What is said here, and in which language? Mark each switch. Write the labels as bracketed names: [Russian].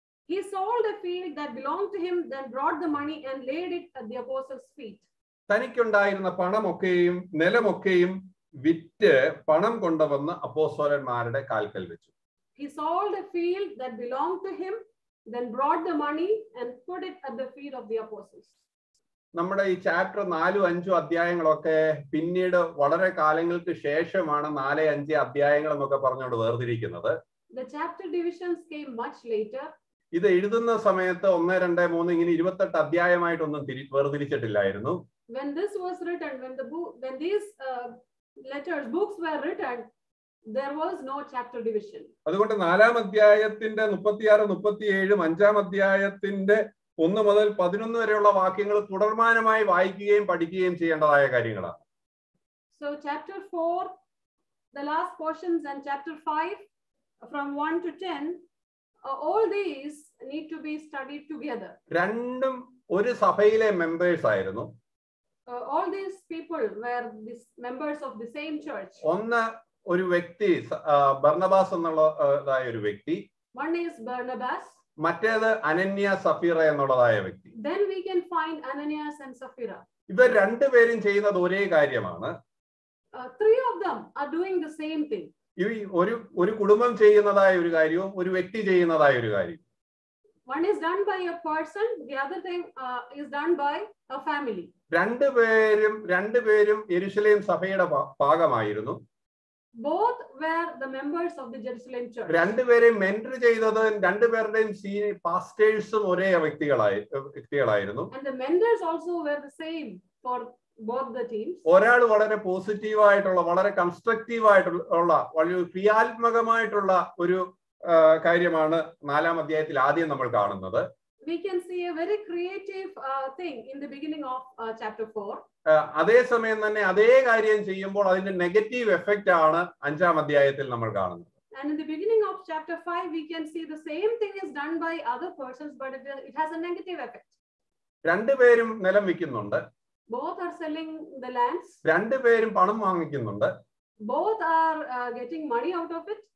[English] He sold a field that belonged to him, then brought the money and laid it at the apostles' feet. [Malayalam] തനിക്കുണ്ടായിരുന്ന പണമൊക്കെയും നിലമൊക്കെയും വിറ്റ് പണം കൊണ്ടുവന്ന് അപ്പോസ്തലന്മാരുടെ കാൽക്കൽ വെച്ചു. [English] He sold a field that belonged to him, then brought the money and put it at the feet of the apostles. [Malayalam] നമ്മുടെ ഈ chapter 4-5 അധ്യായങ്ങളൊക്കെ പിന്നീട് വളരെ കാലങ്ങൾക്ക് ശേഷമാണ് 4-5 അധ്യായങ്ങളെന്നൊക്കെ പറഞ്ഞുകൊണ്ട് വേർതിരിക്കുന്നത്. [English] The chapter divisions came much later. [Malayalam] ഇത് എഴുതുന്ന സമയത്ത് ഒന്ന് രണ്ട് മൂന്ന് ഇങ്ങനെ 28 അധ്യായമായിട്ടൊന്നും വേർതിരിച്ചിട്ടില്ലായിരുന്നു. [English] When this was written, when these letters, books were written, there was no chapter division. [Malayalam] അതുകൊണ്ട് നാലാം അധ്യായത്തിന്റെ 36 37 അഞ്ചാം അധ്യായത്തിന്റെ 1 മുതൽ 11 വരെയുള്ള വാക്യങ്ങൾ തുടർമാനമായി വായിക്കുകയും പഠിക്കുകയും ചെയ്യേണ്ടതായ കാര്യങ്ങളാണ്. [English] So chapter 4, the last portions, and chapter 5 from 1 to 10, all these need to be studied together. [Malayalam] രണ്ടും ഒരു സഭയിലെ മെമ്പേഴ്സ് ആയിരുന്നു. [English] All these people were these members of the same church. [Malayalam] ഒന്ന് ഒരു വ്യക്തി ബർണബാസ് എന്നുള്ളതായ ഒരു വ്യക്തി. [English] One is Barnabas. [Malayalam] മറ്റേത് അനന്യ സഫീറ എന്നുള്ളതായ വ്യക്തി. [English] Then we can find Ananias and Sapphira. [Malayalam] ഇവർ രണ്ടു പേരും ചെയ്യുന്നത് ഒരേ കാര്യമാണ്. [English] Three of them are doing the same thing. [Malayalam] ഈ ഒരു ഒരു കുടുംബം ചെയ്യുന്നതായ ഒരു കാര്യവും ഒരു വ്യക്തി ചെയ്യുന്നതായ ഒരു കാര്യം. [English] One is done by a person, the other thing is done by a family. [Malayalam] രണ്ടുപേരും യെരുശലേം സഭയുടെ ഭാഗമായിരുന്നു. [English] Both were the members of the Jerusalem church. [Malayalam] രണ്ടുപേരെയും മെന്റർ ചെയ്തത് രണ്ടുപേരുടെയും സീനിയർ പാസ്റ്റേഴ്സും ഒരേ വ്യക്തികളായിരുന്നു. [English] And the mentors also were the same for both the teams. [Malayalam] ഒരാൾ വളരെ positive ആയിട്ടുള്ള വളരെ കൺസ്ട്രക്റ്റീവ് ആയിട്ടുള്ള വളരെ ക്രിയാത്മകമായിട്ടുള്ള ഒരു കാര്യമാണ് നാലാം അധ്യായത്തിൽ ആദ്യം നമ്മൾ കാണുന്നത്. [English] We can see a very creative thing in the beginning of chapter 4. [Malayalam] അതേസമയം തന്നെ അതേ കാര്യം ചെയ്യുമ്പോൾ അതിന്റെ നെഗറ്റീവ് എഫക്റ്റ് ആണ് അഞ്ചാം അധ്യായത്തിൽ നമ്മൾ കാണുന്നത്. [English] And in the beginning of chapter 5 we can see the same thing is done by other persons, but it has a negative effect. [Malayalam] രണ്ടു പേരും നിലം വിൽക്കുന്നുണ്ട്. [English] Both are selling the lands. [Malayalam] രണ്ടു പേരും പണം വാങ്ങിക്കുന്നുണ്ട്. [English] Both are getting money out of it.